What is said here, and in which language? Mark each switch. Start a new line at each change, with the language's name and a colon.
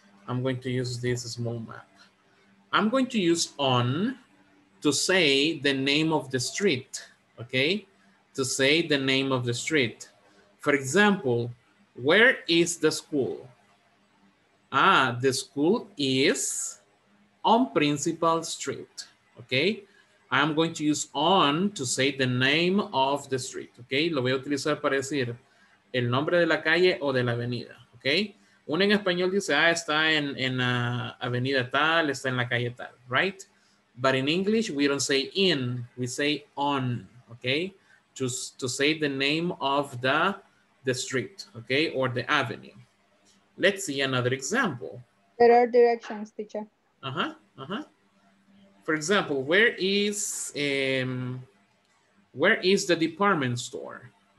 English: I'm going to use this small map. I'm going to use on to say the name of the street, okay, to say the name of the street. For example, where is the school? Ah, the school is on Principal Street. Okay, I'm going to use on to say the name of the street, okay?
Spanish: Lo voy a utilizar para decir el nombre de la calle o de la avenida, okay? Uno en español dice, ah, está en avenida tal, está en la calle tal, right?
English: But in English, we don't say in, we say on, okay? To say the name of the street, okay? Or the avenue. Let's see another example. There are directions, teacher. For example, where is the department store?